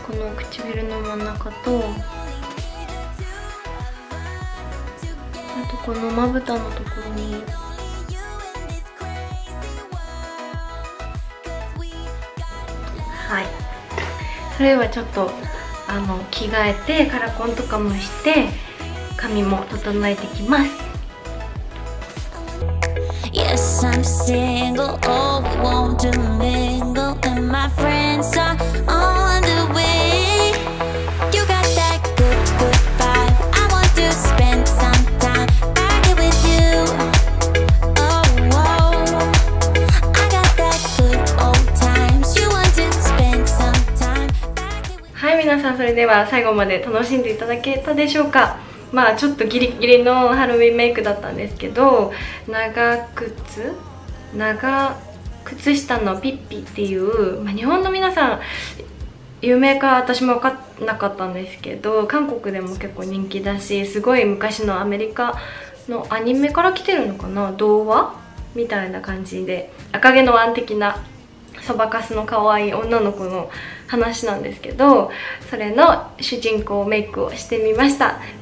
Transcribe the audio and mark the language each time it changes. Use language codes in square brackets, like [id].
[ja] この唇の真ん中と、あとこのまぶたのところに、はい。それではちょっと着替えてカラコンとかもして髪も整えてきます。 [en] Yes, I'm single. Oh, we want to mingle, and my friends are on the way. You got that good, good vibe. I want to spend some time back here with you. Oh, whoa. I got that good old times. You want to spend some time back here with you. Hi, [ja] 皆さん、それでは最後まで楽しんでいただけたでしょうか。まあちょっとギリギリのハロウィンメイクだったんですけど、長靴、長靴下のピッピっていう、まあ、日本の皆さん有名か私も分かんなかったんですけど、韓国でも結構人気だし、すごい昔のアメリカのアニメから来てるのかな、童話みたいな感じで、赤毛のアン的なそばかすの可愛い女の子の話なんですけど、それの主人公メイクをしてみました。